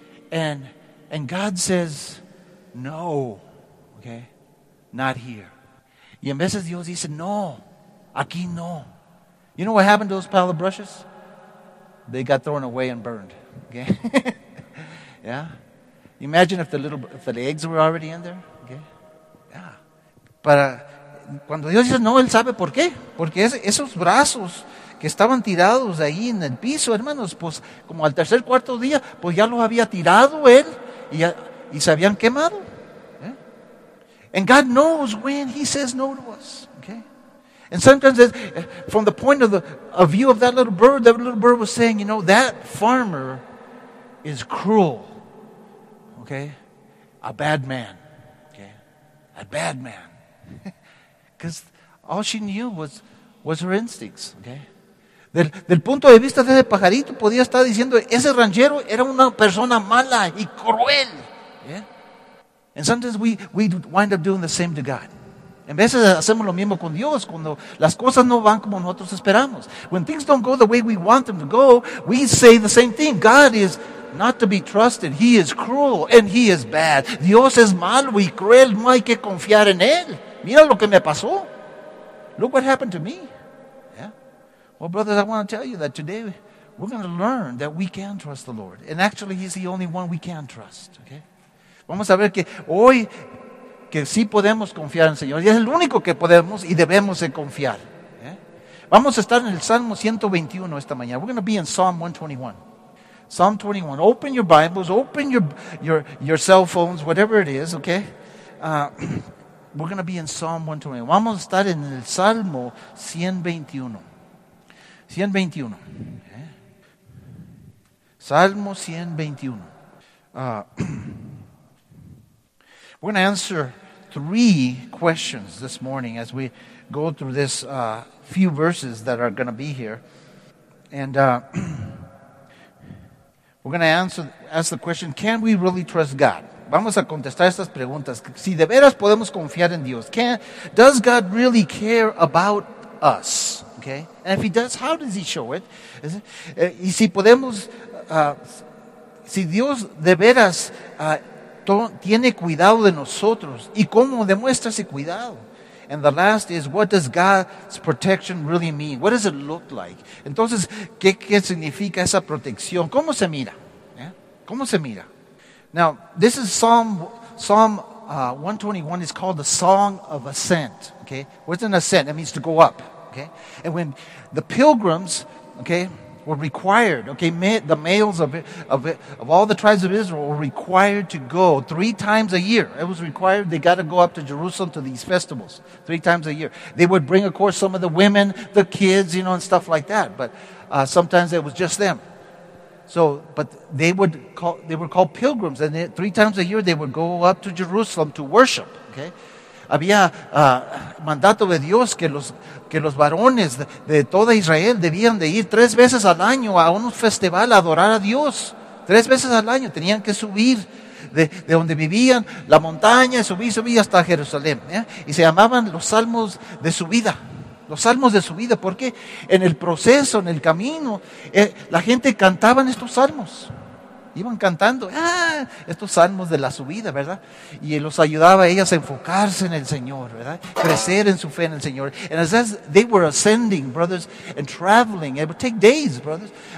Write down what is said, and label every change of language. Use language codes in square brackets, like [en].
[en] And God says, no, okay? Not here. [es] Y en veces Dios dice, no. Aquí no. [en] You know what happened to those pile of brushes? They got thrown away and burned. Okay? Yeah? Imagine if the eggs were already in there. Okay? Yeah. [es] Para cuando Dios dice no, Él sabe por qué. Porque esos brazos que estaban tirados ahí en el piso, hermanos, pues como al tercer, cuarto día, pues ya los había tirado Él y se habían quemado. [en] Yeah? And God knows when He says no to us. Okay? And sometimes it's from the point of view of that little bird was saying, you know, that farmer is cruel, okay? A bad man, okay? A bad man. Because all she knew was her instincts, okay? [es] Del punto de vista de ese pajarito, podía estar diciendo, ese ranchero era una persona mala y cruel, yeah? [en] And sometimes we wind up doing the same to God. [es] En veces hacemos lo mismo con Dios cuando las cosas no van como nosotros esperamos. [en] When things don't go the way we want them to go, we say the same thing. God is not to be trusted. He is cruel and he is bad. [es] Dios es malo y cruel. No hay que confiar en él. Mira lo que me pasó. [en] Look what happened to me. [es] Yeah. [en] Well, brothers, I want to tell you that today we're going to learn that we can trust the Lord. And actually, he's the only one we can trust. Okay. [es] Vamos a ver que hoy que sí podemos confiar en el Señor. Y es el único que podemos y debemos de confiar. ¿Eh? Vamos a estar en el Salmo 121 esta mañana. [en] We're going to be in Psalm 121. Psalm 21. Open your Bibles. Open your cell phones, whatever it is, okay? We're going to be in Psalm 121. [es] Vamos a estar en el Salmo 121. [en] 121. Okay? [es] Salmo 121. [en] We're going to answer three questions this morning as we go through this few verses that are going to be here. And we're going to ask the question, can we really trust God? [es] Vamos a contestar estas preguntas. Si de veras podemos confiar en Dios. [en] Does God really care about us? Okay? And if he does, how does he show it? [es] Y si podemos, si Dios de veras tiene cuidado de nosotros, ¿y cómo demuestra ese cuidado? [en] And the last is, what does God's protection really mean? What does it look like? [es] Entonces, ¿qué significa esa protección? ¿Cómo se mira? ¿Eh? ¿Cómo se mira? [en] Now, this is Psalm 121 is called the Song of Ascent. Okay? What's an ascent? It means to go up. Okay? And when the pilgrims, okay, were required, okay, the males of all the tribes of Israel were required to go three times a year. It was required. They got to go up to Jerusalem to these festivals three times a year. They would bring, of course, some of the women, the kids, you know, and stuff like that. But sometimes it was just them. They were called pilgrims, and three times a year they would go up to Jerusalem to worship. [es] Okay, había mandato de Dios que los varones de toda Israel debían de ir tres veces al año a un festival a adorar a Dios. Tres veces al año tenían que subir de donde vivían la montaña, subir hasta Jerusalén. ¿Eh? Y se llamaban los salmos de subida. Los salmos de su vida, porque en el proceso, en el camino, la gente cantaba estos salmos. Iban cantando estos salmos de la subida, ¿verdad? Y los ayudaba a ellas a enfocarse en el Señor, ¿verdad? Crecer en su fe en el Señor. [en] And as they were ascending, brothers, and traveling, it would take days, brothers.